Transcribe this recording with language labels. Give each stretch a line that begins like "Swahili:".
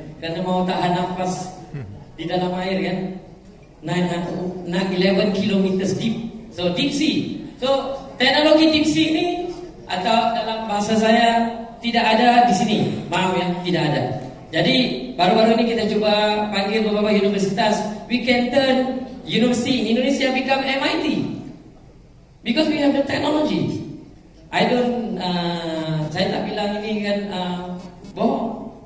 Indonesian: Karena mau tahan nafas di dalam air kan,
English: 9-11 kilometers deep. So deep sea.
Indonesian: So teknologi deep sea ini, atau dalam bahasa saya, tidak ada di sini. Maaf ya, tidak ada. Jadi baru-baru ini kita coba panggil beberapa universitas.
English: We can turn university in Indonesia become MIT because we have the technology. I don't
Indonesian: saya tak bilang ini kan bohong.